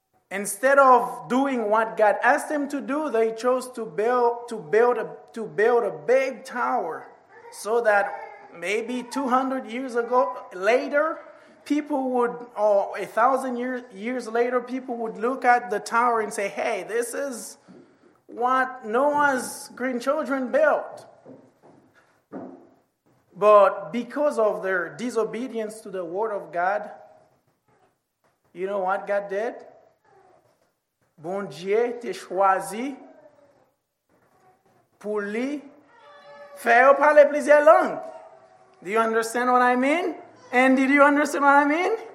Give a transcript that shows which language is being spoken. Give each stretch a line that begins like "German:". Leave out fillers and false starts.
English: Instead of doing what God asked them to do, they chose to build a big tower so that maybe 200 years ago later, people would, or 1,000 years later, people would look at the tower and say, hey, this is what Noah's grandchildren built. But because of their disobedience to the word of God, you know what God did?
Haitian Creole: Bon Dieu te choisi pour lui faire parler plusieurs langues.
English: Do you understand what I mean? And did you understand what I mean?